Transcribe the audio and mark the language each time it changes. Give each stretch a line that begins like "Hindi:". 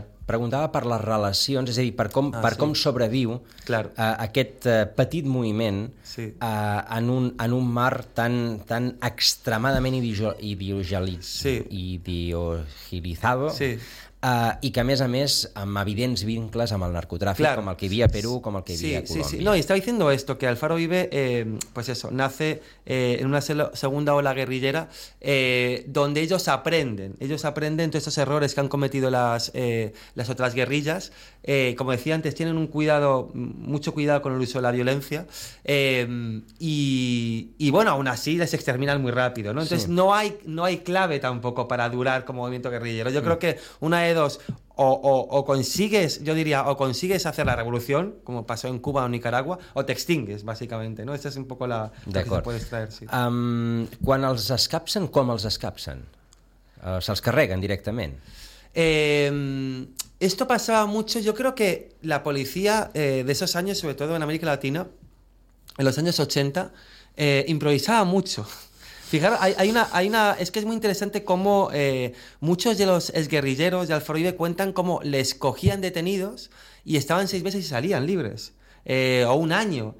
Catalan: Preguntava per les relacions, és a dir, per com sobreviu,
Spanish: claro,
Catalan: aquest petit moviment, sí, en un mar tan, tan extremadament
Spanish: ideologizado, sí.
Catalan: I que a més amb evidents vincles amb el narcotràfic,
Spanish: claro,
Catalan: com el que hi havia a Perú, com el que hi havia, a Colòmbia.
Spanish: Sí, sí. No, y estaba diciendo esto, que Alfaro Ibe, pues eso, nace en una segunda ola guerrillera donde ellos aprenden todos esos errores que han cometido las otras guerrillas. Como decía antes, tienen un cuidado, mucho cuidado con el uso de la violencia, y bueno, aún así les exterminan muy rápido, ¿no? Entonces, sí, no hay clave tampoco para durar como movimiento guerrillero. Yo creo que una de dos, o consigues, yo diría, o consigues hacer la revolución, como pasó en Cuba o Nicaragua, o te extingues, básicamente, ¿no? Esta es un poco la que se puede extraer, sí.
Catalan: Quan els escapsen, com els escapsen? Se'ls carreguen directament?
Spanish: Esto pasaba mucho, yo creo que la policía de esos años, sobre todo en América Latina, en los años 80, improvisaba mucho. Fijaros, hay una, es que es muy interesante cómo muchos de los exguerrilleros de Alfaro Ibe cuentan cómo les cogían detenidos y estaban 6 meses y salían libres. O un año.